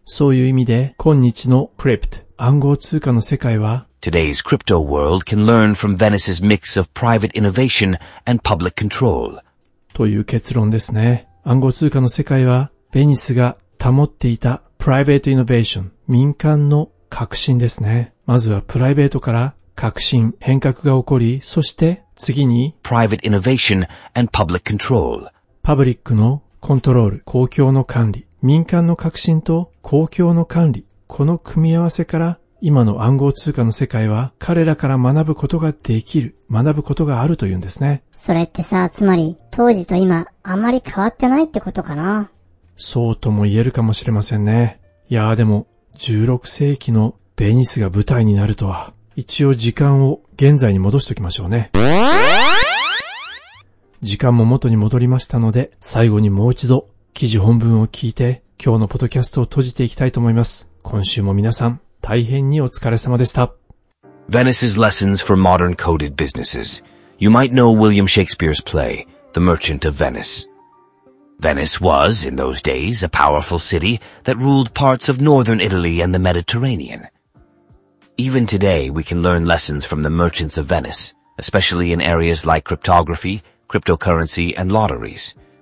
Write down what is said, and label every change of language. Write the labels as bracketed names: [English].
[Japanese] そういう意味で、今日のクリプト、暗号通貨の世界は、 [English] Today's crypto world can learn from Venice's mix of private innovation and public control. [Japanese] という結論ですね。暗号通貨の世界は、ベニスが保っていた [English] private innovation、 [Japanese] 民間の革新ですね。まずはプライベートから革新、変革が起こり、そして、次に、 [English] private innovation and public control. [Japanese] パブリックのコントロール、公共の管理、民間の革新と公共の管理、この組み合わせから、今の暗号通貨の世界は、彼らから学ぶことができる、学ぶことがあるというんですね。それってさ、つまり、当時と今、あまり変わってないってことかな。そうとも言えるかもしれませんね。いやーでも、16世紀のベニスが舞台になるとは。一応時間を現在に戻しておきましょうね。時間も元に戻りましたので、最後にもう一度記事本文を聞いて、今日のポッドキャストを閉じていきたいと思います。今週も皆さん、大変にお疲れ様でした。 [English] Venice's Lessons for Modern Coded Businesses. You might know William Shakespeare's play, The Merchant of Venice. Venice was, in those days, a powerful city that ruled parts of northern Italy and the Mediterranean. Even today, we can learn lessons from the merchants of Venice, especially in areas like cryptography, cryptocurrency, and lotteries.